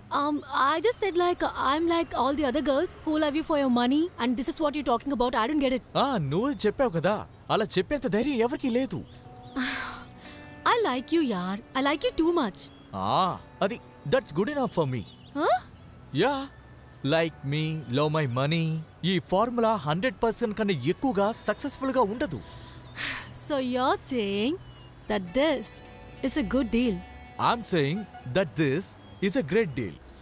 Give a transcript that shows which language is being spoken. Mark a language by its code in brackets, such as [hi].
[en] I just said I'm like all the other girls who love you for your money, and this is what you're talking about. I don't get it. [te] నువ్వు చెప్పావు కదా, అలా చెప్పేంత ధైర్యం ఎవరికి లేదు. [en] I like you, yaar. I like you too much. అది, that's good enough for me. Huh? Yeah. Like me, love my money. [te] ఈ ఫార్ములా 100% కన్నా ఎక్కువగా సక్సెస్ఫుల్గా ఉండదు. [en] So you're saying that this is a good deal? I'm saying that this is a great deal.